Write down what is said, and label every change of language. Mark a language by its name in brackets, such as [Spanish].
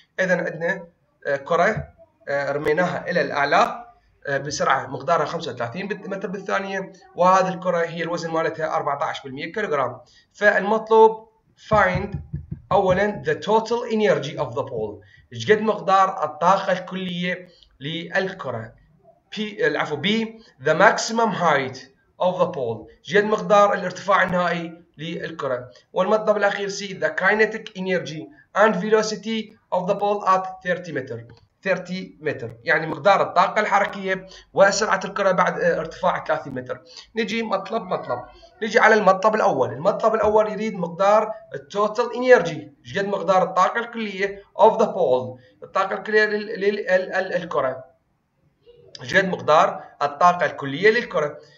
[Arabic] إذا عندنا كرة رميناها إلى الأعلى بسرعة مقدارها 35 متر بالثانية، وهذه الكرة هي الوزن مالتها 14% كيلوغرام. فالمطلوب [English] find [Arabic] اولا [English] the total energy of the ball، [Arabic] ايش قد مقدار الطاقة الكلية للكرة. [English] B the maximum height of the ball، [Arabic] ايش قد مقدار الارتفاع النهائي للكرة. والمطلب الاخير [English] C the kinetic energy and velocity of the ball at 30 [Arabic] متر، يعني مقدار الطاقة الحركية وسرعة الكرة بعد ارتفاع 30 متر. نجي مطلب، نجي على المطلب الأول. المطلب الأول يريد مقدار [English] total energy، [Arabic] جد مقدار الطاقة الكلية [English] of the ball، [Arabic] الطاقة الكلية للكرة، جد مقدار الطاقة الكلية للكرة.